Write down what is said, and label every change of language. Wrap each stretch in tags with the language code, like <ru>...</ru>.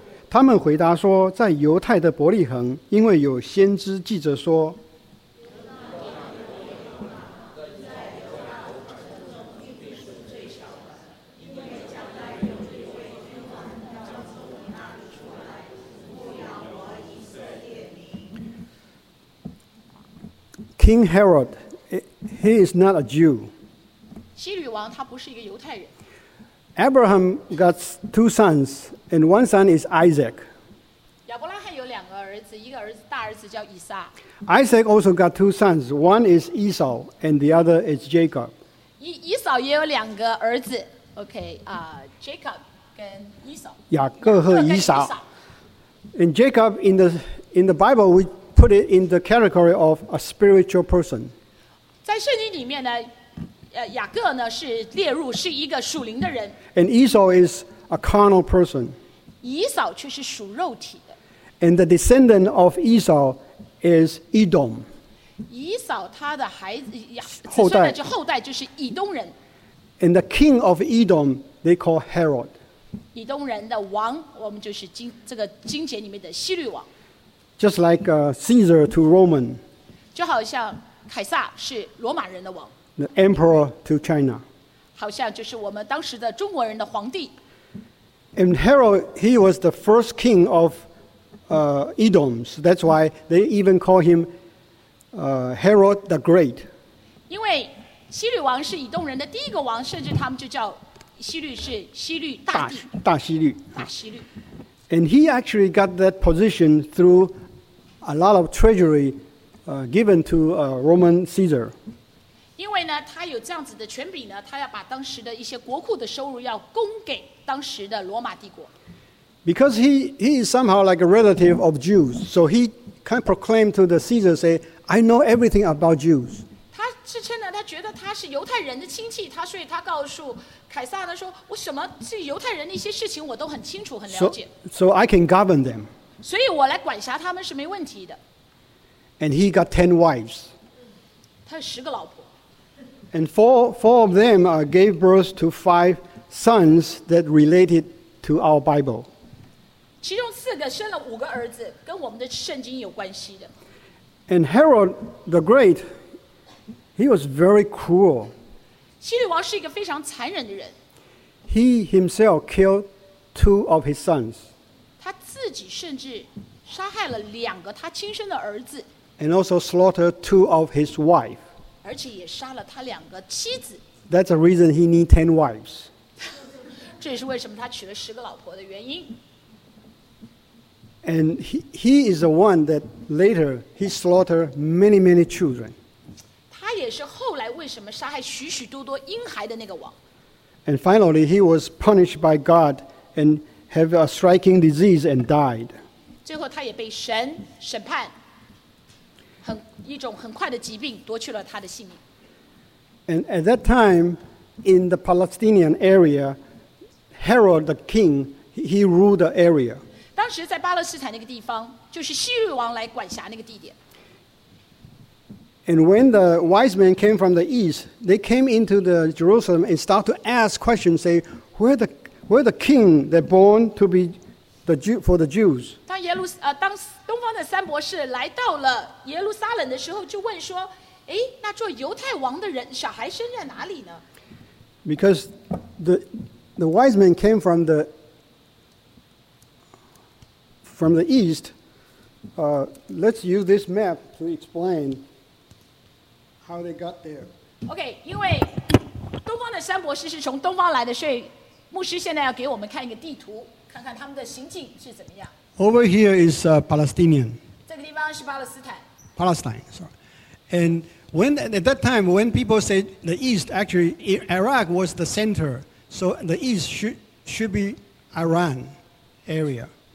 <zh>他们回答说，在犹太的伯利恒，因为有先知记者说，</zh> <en>King Herod, he is not a Jew.</en> <zh>希律王他不是一个犹太人。</zh> <en>Abraham got two sons, and one son is Isaac.</en> <zh>亚伯拉罕有两个儿子，一个儿子大儿子叫以撒。</zh> <en>Isaac also got two sons. One is Esau, and the other is Jacob.</en> <zh>以扫也有两个儿子。Okay, Jacob 跟以扫。雅各和以扫。</zh> <en>And Jacob in the Bible, we put it in the category of a spiritual person.</en> <zh>在圣经里面呢。雅各呢是列入是一个属灵的人</zh> <en>，and Esau is a carnal person.</en> <zh>以扫却是属肉体的</zh> <en>，and the descendant of Esau is Edom.</en> <zh>以扫他的孩子后代就后代就是以东人</zh> <en>，and the king of Edom they call Herod.</en> <zh>以东人的王，我们就是经这个经节里面的希律王</zh> <en>，just like Caesar to Roman.</en> <zh>就好像凯撒是罗马人的王。</zh> <en>The emperor to China.</en> <zh>好像就是我们当时的中国人的皇帝。</zh> <en>And Herod, he was the first king of Edom. So that's why they even call him Herod the Great.</en> <zh>因为希律王是以东人的第一个王，甚至他们就叫希律是希律大帝。大希律。大希律。</zh> <en>And he actually got that position through a lot of treasury given to Roman Caesar.</en> <zh>因为呢，他有这样子的权柄呢，他要把当时的一些国库的收入要供给当时的罗马帝国。</zh> <en>Because he is somehow like a relative of Jews, so he can proclaim to the Caesar, say, "I know everything about Jews."</en> <zh>他自称呢，他觉得他是犹太人的亲戚，他所以他告诉凯撒呢，说我什么是犹太人的一些事情我都很清楚很了解。</zh> <en>So I can govern them.</en> <zh>所以我来管辖他们是没问题的。</zh> <en>And he got 10 wives.</en> <zh>他有十个老婆。</zh> <en>And four of them gave birth to five sons that related to our Bible.</en> <zh>其中四个生了五个儿子，跟我们的圣经有关系的。</zh> <en>And Herod the Great, he was very cruel.</en> <zh>希律王是一个非常残忍的人。</zh> <en>He himself killed two of his sons.</en> <zh>他自己甚至杀害了两个他亲生的儿子。</zh> <en>And also slaughtered two of his wives.</en> <zh>而且也杀了他两个妻子。</zh> <en>That's the reason he need 10 wives.</en> <zh>这也是为什么他娶了十个老婆的原因。</zh> <en>And he is the one that later he slaughtered many, many children.</en> <zh>他也是后来为什么杀害许许多多婴孩的那个王。</zh> <en>And finally, he was punished by God and have a striking disease and died.</en> <zh>最后他也被神审判，一种很快的疾病夺去了他的性命。</zh> <en>And at that time, in the Palestinian area, Herod the king, he ruled the area.</en> <zh>当时在巴勒斯坦那个地方，就是希律王来管辖那个地点。</zh> <en>And when the wise men came from the east, they came into the Jerusalem and start to ask questions, say, where the king that born to be the Jew, for the Jews?</en> <zh>当东方的三博士来到了耶路撒冷的时候，就问说，哎，那做犹太王的人小孩生在哪里呢？</zh> <en>Because the wise men came from the east. Let's use this map to explain. How they got there.</en> <zh>Okay, 因为东方的三博士是从东方来的，所以牧师现在要给我们看一个地图，看看他们的行径是怎么样。</zh> <en>Over here is Palestinian.</en> <zh>这个地方是巴勒斯坦。</zh> <en>Palestine, sorry. And when at that time, when people say the east, actually Iraq was the center, so the east should be Iran area.</en>